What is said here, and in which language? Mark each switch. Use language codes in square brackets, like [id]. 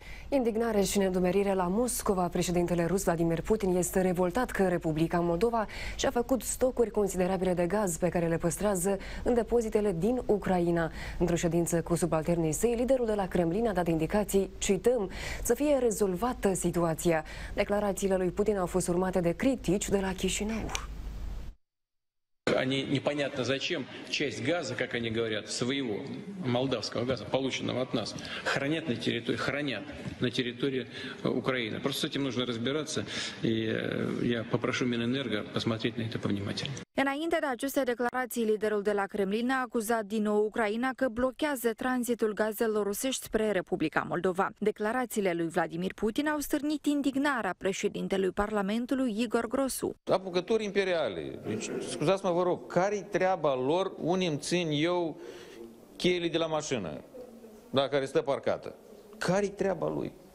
[ro] Indignare și nedumerire la Moscova. Președintele rus Vladimir Putin este revoltat că Republica Moldova și-a făcut stocuri considerabile de gaz pe care le păstrează în depozitele din Ucraina. Într-o ședință cu subalternii săi, liderul de la Kremlin a dat indicații, cităm, să fie rezolvată situația. Declarațiile lui Putin au fost urmate de critici de la Chișinău. [ru] Они непонятно зачем часть газа, как они говорят, своего молдавского газа, полученного от нас, хранят на территории Украины. Просто с этим нужно разбираться, и я попрошу Минэнерго посмотреть на это повнимательнее. [ro] Înainte de aceste declarații, liderul de la Kremlin a acuzat din nou Ucraina că blochează tranzitul gazelor rusești spre Republica Moldova. Declarațiile lui Vladimir Putin au stârnit indignarea președintelui Parlamentului Igor Grosu. Apucători imperiale, deci, scuzați-mă vă rog, care-i treaba lor, unii îmi țin eu cheile de la mașină, da, care stă parcată? Care-i treaba lui?